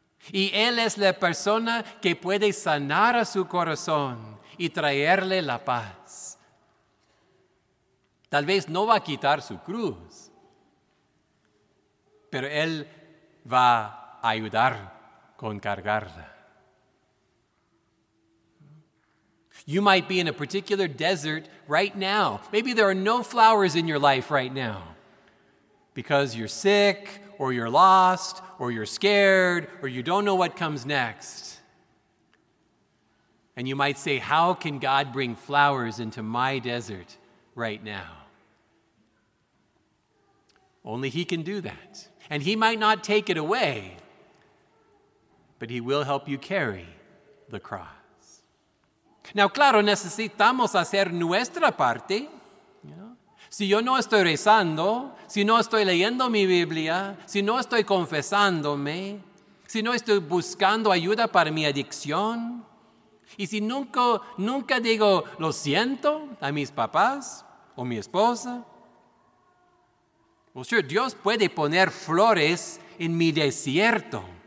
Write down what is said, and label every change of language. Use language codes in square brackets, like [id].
[es] Y Él es la persona que puede sanar a su corazón y traerle la paz. Tal vez no va a quitar su cruz, pero Él va a ayudar con cargarla. [en] You might be in a particular desert right now. Maybe there are no flowers in your life right now because you're sick or you're lost or you're scared or you don't know what comes next. And you might say, how can God bring flowers into my desert right now? Only He can do that. And He might not take it away, but He will help you carry the cross. Now, [es] claro, necesitamos hacer nuestra parte. Si yo no estoy rezando, si no estoy leyendo mi Biblia, si no estoy confesándome, si no estoy buscando ayuda para mi adicción, y si nunca digo lo siento a mis papás o mi esposa, [en] well, sure, [es] Dios puede poner flores en mi desierto.